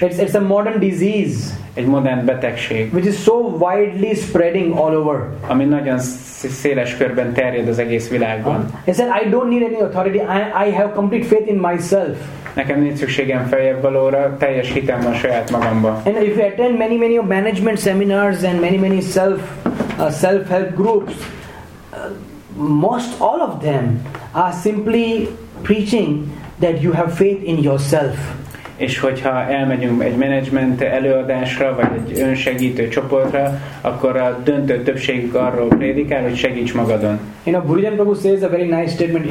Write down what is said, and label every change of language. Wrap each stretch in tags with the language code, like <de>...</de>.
<en>It's a modern disease.</en> <hu>Egy modern betegség.</hu> <en>Which is so widely spreading all over.</en> <hu>Ami nagyon széles körben terjed az egész világon.</hu> <en>It's that I don't need any authority. I have complete faith in myself.</en> <hu>Nekem nincs szükségem feljebb valóra, teljes hitem van saját magamban.</hu> <en>And if you attend many of management seminars and many self-help groups, most all of them are simply preaching that you have faith in yourself.</en> <hu>És hogyha elmegyünk egy management előadásra, vagy egy önsegítő csoportra, akkor a döntő többségük arról prédikál, hogy segíts magadon.</hu> <en>You know, Burujan Prabhu says a very nice statement.</en>